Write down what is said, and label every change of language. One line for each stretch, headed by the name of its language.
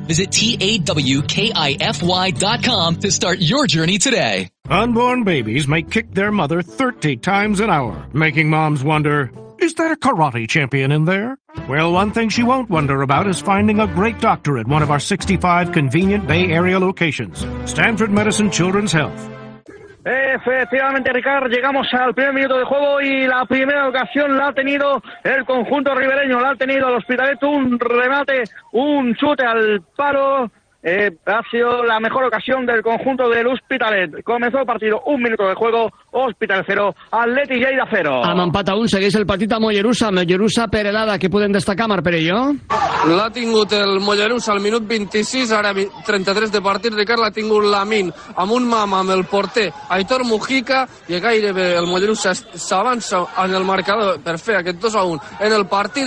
English: Visit TAWKIFY.com to start your journey today. Unborn babies may kick their mother 30 times an hour, making moms wonder, is that a karate champion in there? Well, one thing she won't wonder about is finding a great doctor at one of our 65 convenient Bay Area locations. Stanford Medicine Children's Health.
Spanish: Efectivamente, Ricard, llegamos al primer minuto de juego y la primera ocasión la ha tenido el conjunto ribereño, la ha tenido el Hospitalet, un remate, un chute al palo, ha sido la mejor ocasión del conjunto del Hospitalet. Comenzó el partido, un minuto de juego, Hospitalet 0, Atleti Lleida 0.
Catalan: Amb empat a un, segueix el partit a Mollerussa, Mollerussa Perelada, que podem destacar, Marc Perelló? L'ha tingut el Mollerussa al minut 26, ara 33 de partit, Ricard, l'ha tingut Lamin amb un mam amb el porter Aitor Mujica, i gairebé el Mollerussa s'avança en el marcador per fer aquest 2-1 en el partit.